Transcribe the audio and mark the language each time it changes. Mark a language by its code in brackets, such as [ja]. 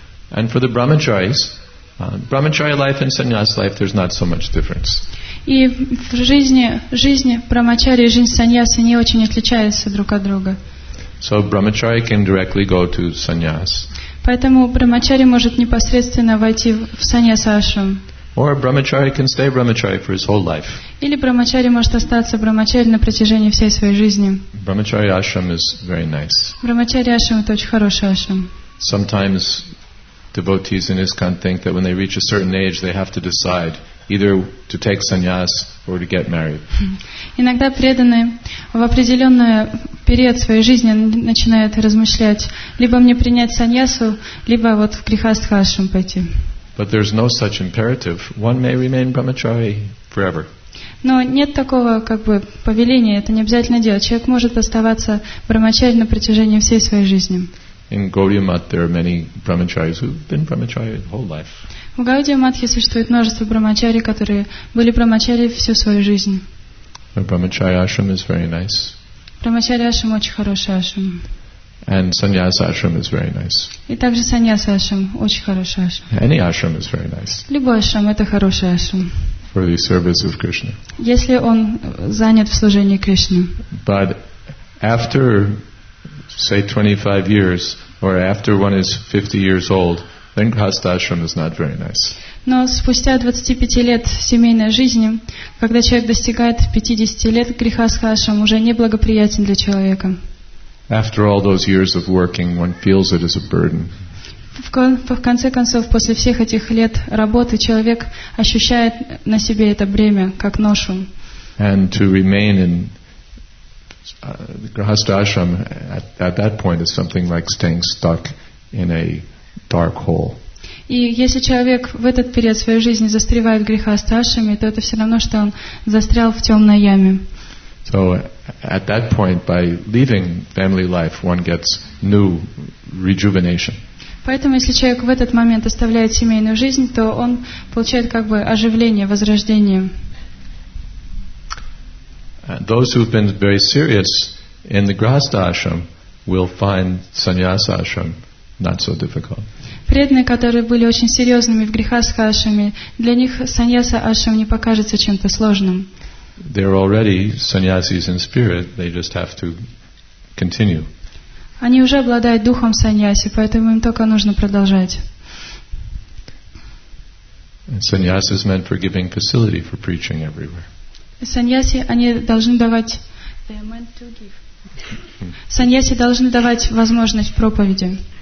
[en] And for the brahmacharis, brahmachari life and sannyas life, there's not so much difference. [ru] И в жизни брахмачари и жизнь саньяса не очень отличаются друг от друга. [en] So brahmachari can directly go to sannyas. [ru] Поэтому брахмачари может непосредственно войти в саньяса ашрам. [en] Or brahmachari can stay brahmachari for his whole life. [ru] Или брахмачари может остаться брахмачари на протяжении всей своей жизни. [en] Brahmachari ashram is very nice. [ru] Брахмачари ашрам это очень хороший ашрам. [en] Sometimes devotees in ISKCON think that when they reach a certain age, they have to decide either to take sannyas or to get married. [ru] Иногда преданные в определенное период своей жизни начинает размышлять, либо мне принять саньясу, либо вот в грихастхашрам пойти. [en] But there's no such imperative. One may remain brahmachari forever. [ru] Но нет такого как бы повеления, это не обязательно делать. Человек может оставаться брахмачари на протяжении всей своей жизни. [en] In Gaudiya Mat there are many brahmacharis who've been brahmachari whole life. [ru] В Гаудия Матхе существует множество брахмачари, которые были брахмачари всю свою жизнь. [en] A brahmachari ashram is very nice. [ru] Брахмачари ашрам очень хороший ашрам. [en] And sannyasa ashram is very nice. [ru] И также саньяса ашрам очень хороший ашрам. [en] Any ashram is very nice. [ru] Любой ашрам это хороший ашрам. [en] For the service of Krishna. [ru] Если он занят в служении Кришне. [en] But after, say, 25 years, or after one is 50 years old, then grihastha ashram is not very nice. [ru] Но спустя 25 лет семейной жизни, когда человек достигает 50 лет, грихастха ашрам уже неблагоприятен для человека. [en] After all those years of working, one feels it as a burden. [ru] В конце концов, после всех этих лет работы, человек ощущает на себе это бремя, как ношу. [en] And to remain in grihastha ashram at that point is something like staying stuck in a dark hole. [ru] И если человек в этот период своей жизни застревает в грихастха ашраме, то это все равно, что он застрял в темной яме. [en] So at that point, by leaving family life, one gets new rejuvenation. [ru] Поэтому, если человек в этот момент оставляет семейную жизнь, то он получает как бы оживление, возрождение. [en] Those who have been very serious in the grihastha ashram will find sannyasa ashram not so difficult. [ru] Преданные, которые были очень серьезными в грихастха ашраме, для них саньяса ашрам не покажется чем-то сложным. [en] They're already sannyasis in spirit, they just have to continue. [ru] Они уже обладают духом саньяси, поэтому им только нужно продолжать. [en] Sannyasi is meant for giving facility for preaching everywhere. [ru] Саньяси, они должны давать... [en] They are meant to give. [ru] Саньяси должны давать возможность проповеди.